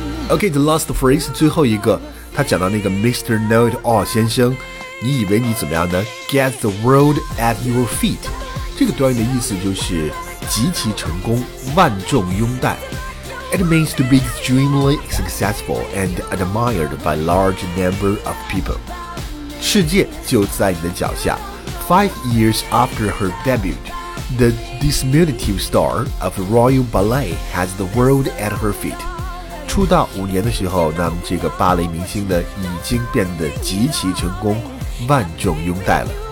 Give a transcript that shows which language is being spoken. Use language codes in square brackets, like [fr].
[en] Okay, the last phrase, [zh] 最后一个，他讲到那个 Mr. Know-it-all 先生。你以为你怎么样呢？ Get the world at your feet， 这个短语的意思就是极其成功，万众拥戴。 [en] It means to be extremely successful and admired by large number of people， [zh] 世界就在你的脚下。 [en] 5 years after her debut， the diminutive star of Royal Ballet has the world at her feet。 [zh] 出道5年的时候，那么这个芭蕾明星呢已经变得极其成功，万众拥戴了。